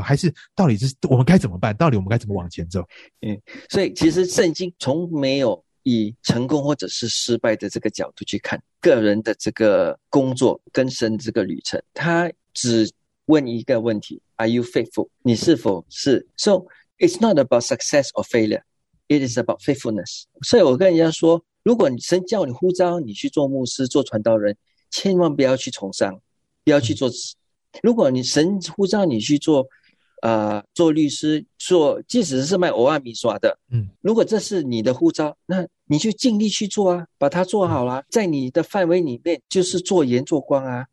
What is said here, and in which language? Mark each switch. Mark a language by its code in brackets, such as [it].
[zh] 还是到底是我们该怎么办，到底我们该怎么往前走？所以其实圣经从没有以成功或者是失败的这个角度去看个人的这个工作跟神这个旅程，他只问一个问题， [en] Are you faithful？ [zh] 你是否是？ [en] So it's not about success or failureIt is about faithfulness。 [zh] 所以我跟人家说，如果神叫你呼召你去做牧师做传道人，千万不要去从商，不要去做。如果你神呼召你去做做律师，做即使是卖偶尔米刷的，如果这是你的呼召，那你就尽力去做啊，把它做好啦，在你的范围里面就是做盐做光啊。